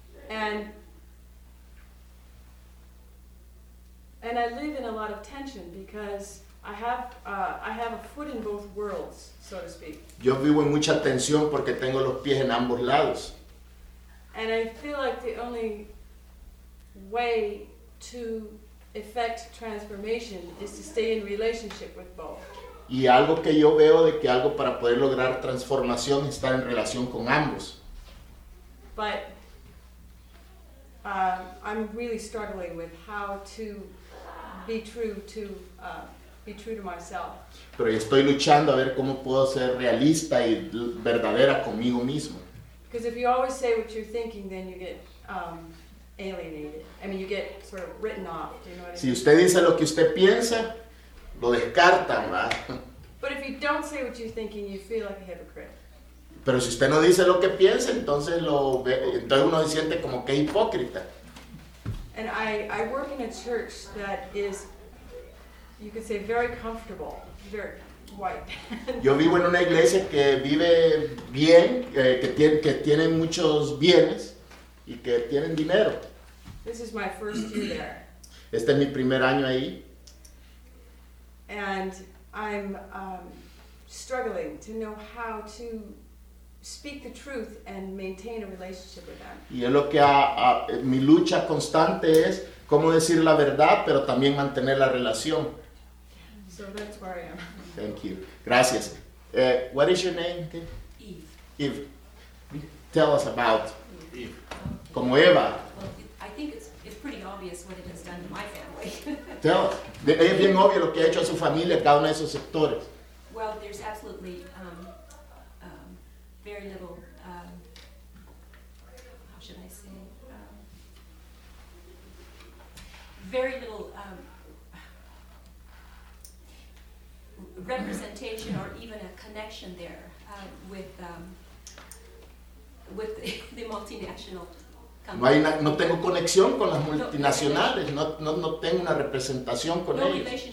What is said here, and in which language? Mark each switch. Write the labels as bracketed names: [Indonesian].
[English] And I live in a lot of tension because I have a foot in both worlds, so to speak. [Spanish] Yo vivo en mucha tensión porque tengo los pies en ambos lados. [English] And I feel like the only way to effect transformation is to stay in relationship with both. [Spanish] Y algo que yo veo de que algo para poder lograr transformación es estar en relación con ambos. [English] But I'm really struggling with how to be true to myself. [Spanish] Pero estoy luchando a ver cómo puedo ser realista y verdadera conmigo mismo. [English] Because if you always say what you're thinking, then you get alienated. I mean, you get sort of written off. Do you know what I mean? [Spanish] Si usted dice lo que usted piensa, lo descartan, ¿verdad? [English] But if you don't say what you're thinking, you feel like a hypocrite. [Spanish] Pero si usted no dice lo que piensa, entonces uno se siente como que es hipócrita. [English] And I work in a church that is, you could say, very comfortable, very white. [Spanish] Yo vivo en una iglesia que vive bien, que tiene muchos bienes y que tienen dinero. [English] This is my first year there. [Spanish] Este es mi primer año ahí. [English] And I'm struggling to know how to speak the truth and maintain a relationship with them. [Spanish] Y es lo que mi lucha constante es cómo decir la verdad, pero también mantener la relación. [English] So that's where I am. Thank you. Gracias. What is your name? Eve. Eve. Tell us about Eve. [Spanish] Como Eva. [English] Well, I think it's pretty obvious what it has done to my family. Tell us. [Spanish] Es bien obvio lo que ha hecho a su familia en cada uno de esos sectores. [English] Well, there's absolutely very little, how should I say, very little representation or even a connection there with the multinational. [Spanish] No hay na, no tengo conexión con las multinacionales, no tengo una representación con ellos.